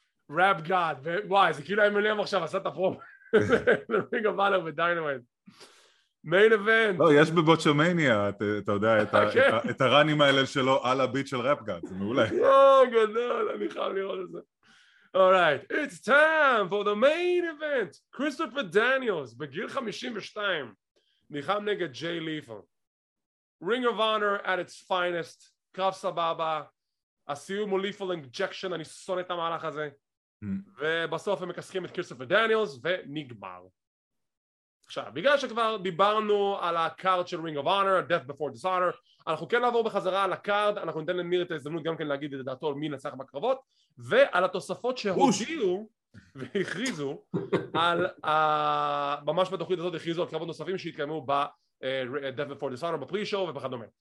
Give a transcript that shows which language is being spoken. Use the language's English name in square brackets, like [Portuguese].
[Hebrew] ראפ גאד, וואי, זה כאילו אמילם עכשיו עשה את הפרומו לרינג אוף אונר ודיינמייט. מיין אבנט. לא, יש בבוטשומניה, אתה יודע, את הראנים האלה שלו על הביט של ראפ גאד, זה מעולה. או, גדול, אני חייב לראות את זה. [English] אורייט, it's time for the main event. [Hebrew] כריסטופר דניאלס, בגיל 52, ניחם נגד ג'יי ליפה. רינג אוף אונר [English] at its finest, [Hebrew] קרב סבבה. הסיום הוא ליפול אינג'קשן, אני שונא את המהלך הזה. ובסוף הם מקסחים את כריסטופר דניאלס ונגמר. עכשיו, בגלל שכבר דיברנו על הקארד של רינג אוף אונר, Death Before Dishonor, אנחנו כן נעבור בחזרה על הקארד, אנחנו ניתן לניר את ההזדמנות גם כן להגיד את דעתו על מי נצח בקרבות, ועל התוספות שהודיעו והכריזו על ממש בתוכנית הזאת הכריזו על קרבות נוספים שהתקיימו ב Death Before Dishonor, בפרישו ובכדומה.